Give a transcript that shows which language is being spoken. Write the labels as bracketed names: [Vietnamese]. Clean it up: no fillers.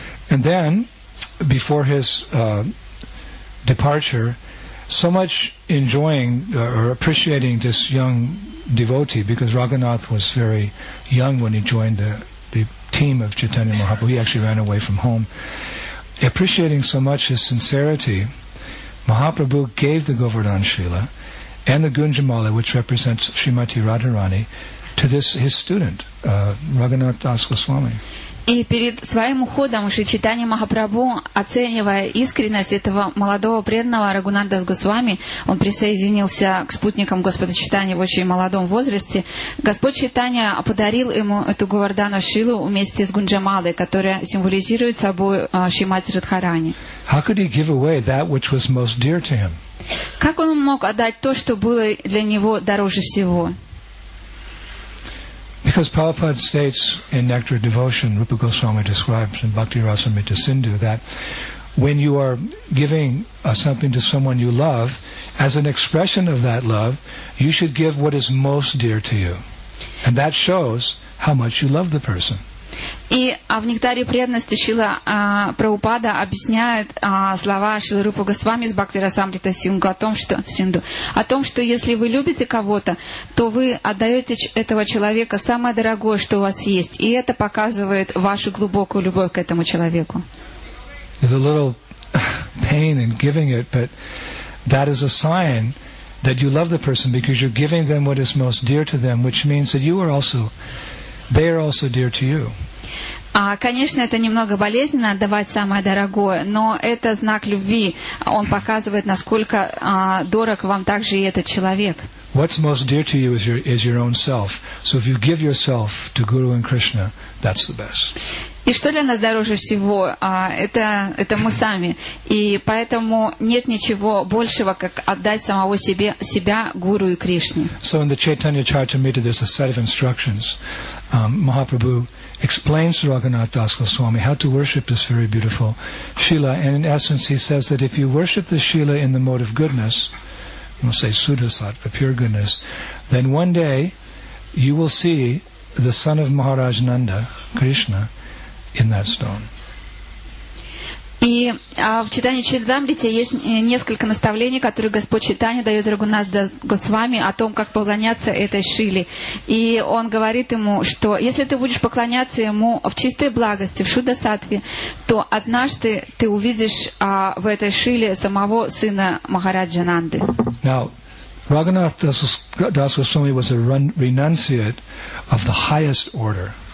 [English] And then, before his departure, so much enjoying or appreciating this young devotee, because Raghunath was very young when he joined the team of Chaitanya Mahaprabhu. He actually ran away from home. Appreciating so much his sincerity, Mahaprabhu gave the Govardhan Shila and the Gunjamala, which represents Srimati Radharani, to this his student, Raghunath Das Goswami. [Russian] И перед своим уходом Шри Чайтанья Махапрабху, оценивая искренность этого молодого преданного Рагунат Дас Госвами, он присоединился к спутникам Господа Чайтаньи в очень молодом возрасте, Господь Чайтанья подарил ему эту Говардхана Шилу вместе с Гунджамалой, которая символизирует собой Шримати Радхарани. [English] How could he give away that which was most dear to him? [Russian] Как он мог отдать то, что было для него дороже всего? [English] Because Prabhupada states in Nectar of Devotion, Rupa Goswami describes in Bhakti Rasamrita Sindhu, that when you are giving something to someone you love, as an expression of that love, you should give what is most dear to you. And that shows how much you love the person. [Russian] И в Нектаре преданности Шрила Прабхупада объясняет слова Шрила Рупа Госвами из Бхакти Расамрита Синду о том, что если вы любите кого-то, то вы отдаете этого человека самое дорогое, что у вас есть. И это показывает вашу глубокую любовь к этому человеку. [English] There's a little pain in giving it, but that is a sign that you love the person because you're giving them what is most dear to them, which means that you are also... They are also dear to you. [Russian] Конечно, это немного болезненно отдавать самое дорогое, но это знак любви. Он показывает, насколько дорог вам также и этот человек. [English] What's most dear to you is your own self. So if you give yourself to Guru and Krishna, that's the best. [Russian] И что для нас дороже всего? Это мы сами. И поэтому нет ничего большего, как отдать самого себя Гуру и Кришне. [English] So in the Chaitanya Charitamrita there's a set of instructions. Mahaprabhu explains to Raghunath Das Goswami how to worship this very beautiful Shila. And in essence, he says that if you worship the Shila in the mode of goodness, we'll say Sudhasattva, pure goodness, then one day you will see the son of Maharaj Nanda, Krishna, in that stone. [Russian] И в Чайтанье Чаритамрите есть несколько наставлений, которые Господь Чайтанья дает Рагунат Дас Госвами о том, как поклоняться этой Шиле. И он говорит ему, что если ты будешь поклоняться ему в чистой благости, в Шудасатве, то однажды ты увидишь в этой Шиле самого сына Махараджа Нанды. [English] Now, Raghunath Das Goswami was a renunciate of the highest order.